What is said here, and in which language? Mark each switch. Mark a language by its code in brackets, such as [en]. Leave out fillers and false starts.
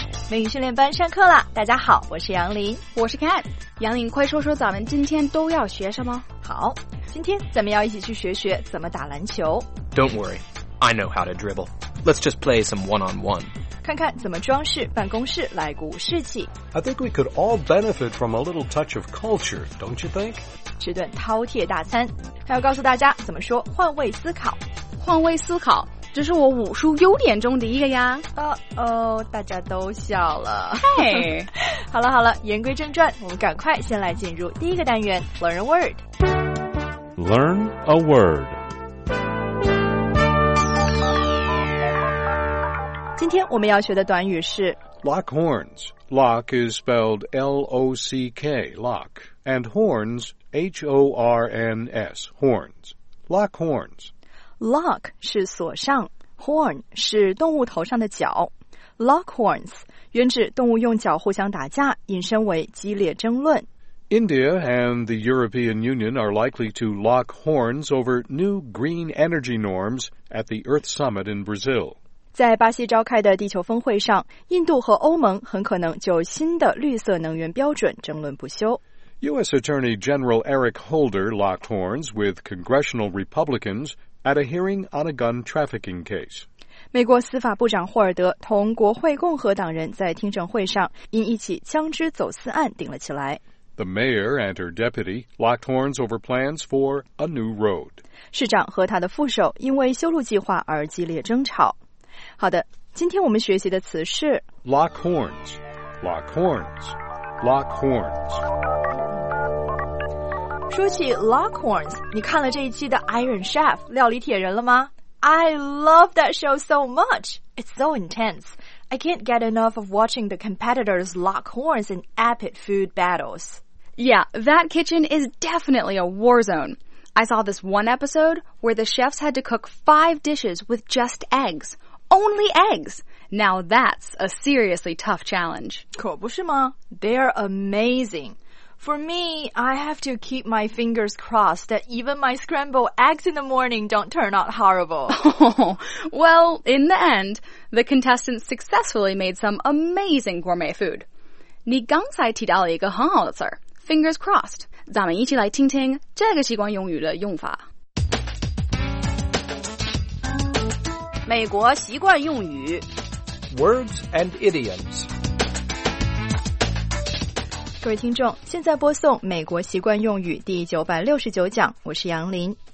[zh] 美语训练班上课了，大家好，我是杨林。我是 Cat。杨林，快说说咱们今天都要学什么。好，今天咱们要一起去学学怎么打篮球。 [en] Don't worry, I know how to dribble. Let's just play some one-on-one. [zh] 看看怎么装饰办公室来鼓舞士气。 [en] I think we could all benefit from a little touch of culture, don't you think? [zh] 吃顿饕餮大餐，还要告诉大家怎么说换位思考。换位思考，这是我武术优点中的一个呀。大家都笑了。嘿，好了好了，言归正传，我们赶快先来进入第一个单元 [en] Learn a word。 Learn a word。 [zh] 今天我们要学的短语是 [en] lock horns. Lock is spelled L-O-C-K, lock, and horns, H-O-R-N-S, horns. Lock horns. [zh] Lock 是锁上 ，horn 是动物头上的角。 Lock horns 原指动物用角互相打架，引申为激烈争论。 [en] India and the European Union are likely to lock horns over new green energy norms at the Earth Summit in Brazil. [zh] 在巴西召开的地球峰会上，印度和欧盟很可能就新的绿色能源标准争论不休。 [en] U.S. Attorney General Eric Holder locked horns with congressional Republicans at a hearing on a gun trafficking case. [zh] 美国司法部长霍尔德同国会共和党人在听证会上因一起枪支走私案顶了起来。 [en] The mayor and her deputy locked horns over plans for a new road. [zh] 市长和他的副手因为修路计划而激烈争吵。好的，今天我们学习的词是 [en] lock horns, lock horns, lock horns。 [zh] 说起 lock horns, 你看了这一期的 Iron Chef, 料理铁人了吗？ [en] I love that show so much. It's so intense. I can't get enough of watching the competitors lock horns in epic food battles. Yeah, that kitchen is definitely a war zone. I saw this one episode where the chefs had to cook 5 dishes with just eggs. Only eggs! Now that's a seriously tough challenge. [zh] 可不是吗? [en] They're amazing. For me, I have to keep my fingers crossed that even my scrambled eggs in the morning don't turn out horrible. Oh, well, in the end, the contestants successfully made some amazing gourmet food. [zh] 你刚才提到了一个很好的词儿 fingers crossed. 咱们一起来听听这个习惯用语的用法。美国习惯用语 [en] Words and idioms. [zh] 各位听众，现在播送美国习惯用语第969讲，我是杨林。